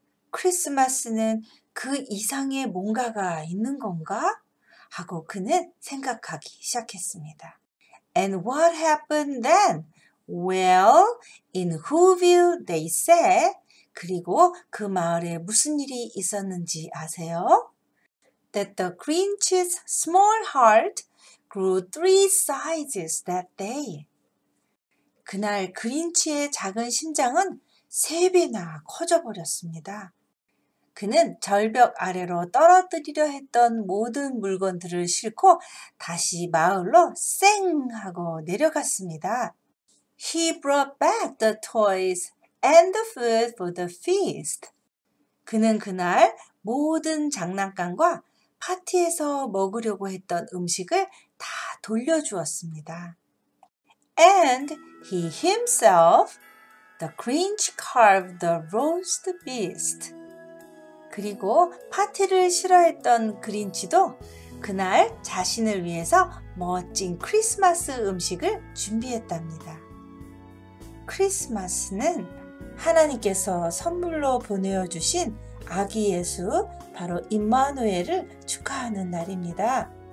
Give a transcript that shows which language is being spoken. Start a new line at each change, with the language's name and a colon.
Korean: 크리스마스는 그 이상의 뭔가가 있는 건가? 하고 그는 생각하기 시작했습니다.
English: And what happened then? Well, in Whoville, they said,
Korean: 그리고 그 마을에 무슨 일이 있었는지 아세요?
English: That the Grinch's small heart grew three sizes that day.
Korean: 그날 그린치의 작은 심장은 세 배나 커져버렸습니다. 그는 절벽 아래로 떨어뜨리려 했던 모든 물건들을 싣고 다시 마을로 쌩 하고 내려갔습니다.
English: He brought back the toys and the food for the feast.
Korean: 그는 그날 모든 장난감과 파티에서 먹으려고 했던 음식을 다 돌려주었습니다.
English: And he himself, the Grinch carved the roast beast.
Korean: 그리고 파티를 싫어했던 그린치도 그날 자신을 위해서 멋진 크리스마스 음식을 준비했답니다. 크리스마스는 하나님께서 선물로 보내어주신 아기 예수 바로 임마누엘을 축하하는 날입니다.